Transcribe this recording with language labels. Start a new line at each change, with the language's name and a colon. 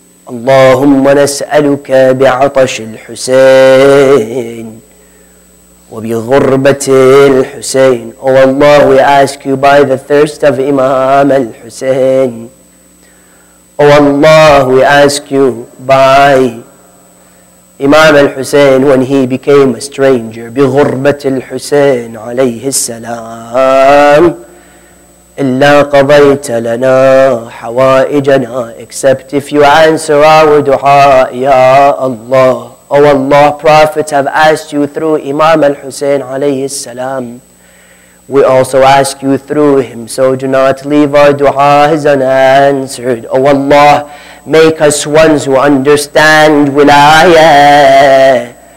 Arabic: اللهم نسألك بعطش الحسين وبغربة الحسين.
English: Oh Allah, we ask you by the thirst of Imam al-Hussein. Oh Allah, we ask you by Imam al-Hussein when he became a stranger.
Arabic: بغربة الحسين عليه السلام إلا قضيت لنا حوائجنا.
English: Except if you answer our dua, Ya Allah. Oh Allah, prophets have asked you through Imam al-Hussein alayhi salam. We also ask you through him, so do not leave our du'as unanswered. Oh Allah, make us ones who understand wilaya.